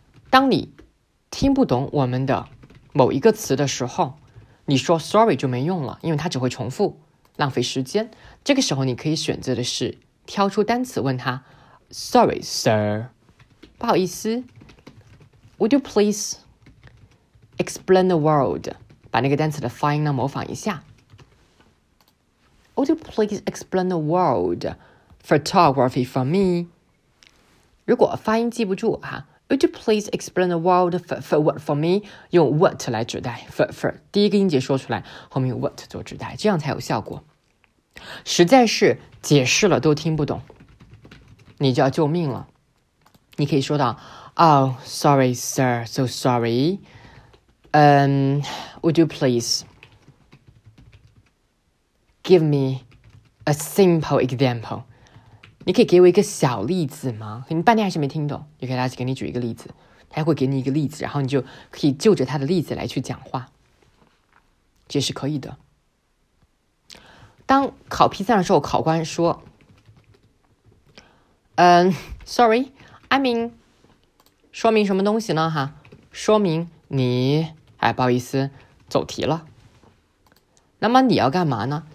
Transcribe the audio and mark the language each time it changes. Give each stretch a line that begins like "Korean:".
Chinese: 当你听不懂我们的某一个词的时候，你说 sorry 就没用了，因为它只会重复浪费时间。这个时候你可以选择的是挑出单词问他
English: sorry sir，
Chinese: 不好意思 ，
English: Would you please explain the word？
Chinese: 把那个单词的发音呢模仿一下。
English: Would you please explain the word photography for me？
Chinese: 如果发音记不住哈
English: ，Would you please explain the word for what for me？
Chinese: 用 what 来指代 for 第一个音节说出来，后面 what 做指代，这样才有效果。实在是解释了都听不懂，你就要救命了。你可以说到
English: Oh, sorry, sir, so sorry. Would you please give me a simple example?
Chinese: 你可以给我一个小例子吗？你半天还是没听懂，你可以他给你举一个例子，他会给你一个例子，然后你就可以就着他的例子来去讲话，这是可以的。当考 P3 的时候，考官说sorry,说明说明什么东西呢哈，说明你哎不好意思走题了。那么你要干嘛呢？